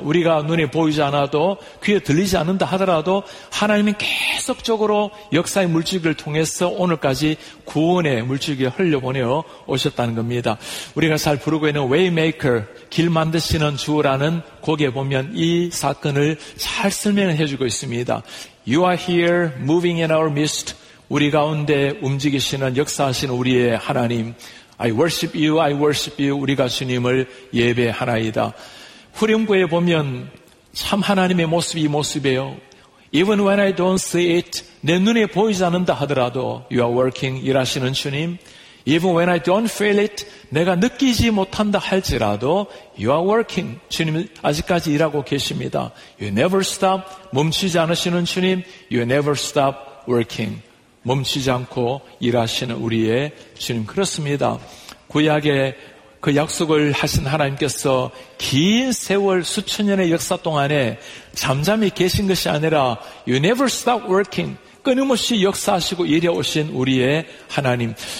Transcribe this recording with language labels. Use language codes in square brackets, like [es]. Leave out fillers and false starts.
[ko] 우리가 눈에 보이지 않아도, 귀에 들리지 않는다 하더라도 하나님은 계속적으로 역사의 물줄기를 통해서 오늘까지 구원의 물줄기를 흘려보내어 오셨다는 겁니다. 우리가 잘 부르고 있는 웨이메이커, 길 만드시는 주라는 거기에 보면 이 사건을 잘 설명을 해주고 있습니다. [en] You are here moving in our midst. [ko] 우리 가운데 움직이시는 역사하시는 우리의 하나님. [en] I worship you, I worship you. [ko] 우리가 주님을 예배하나이다. 후렴구에 보면 참 하나님의 모습이 이 모습이에요. [en] Even when I don't see it, [ko] 내 눈에 보이지 않는다 하더라도 [en] You are working, [ko] 일하시는 주님. [en] Even when I don't feel it, [ko] 내가 느끼지 못한다 할지라도 [en] You are working, [ko] 주님 아직까지 일하고 계십니다. [en] You never stop, [ko] 멈추지 않으시는 주님. [en] You never stop working, [ko] 멈추지 않고 일하시는 우리의 주님. 그렇습니다. 구약에 그 약속을 하신 하나님께서 긴 세월 수천 년의 역사 동안에 잠잠히 계신 것이 아니라 [en] You never stop working, [ko] 끊임없이 역사하시고 일해오신 우리의 하나님.